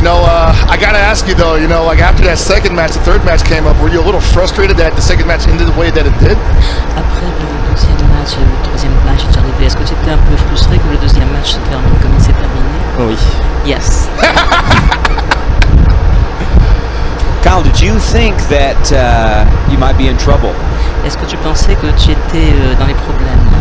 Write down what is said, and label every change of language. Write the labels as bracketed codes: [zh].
[en] You know, I got to ask you, though, you know, like after that second match, the third match came up, were you a little frustrated that the second match ended the way that it did? [fr] Après le deuxième match, le troisième match est arrivé. Est-ce que tu étais un peu frustré que le deuxième match se termine comme il s'est terminé? Oui. [en] Yes. Kyle, did you think that you might be in trouble? [fr] Est-ce que tu pensais que tu étais dans les problèmes?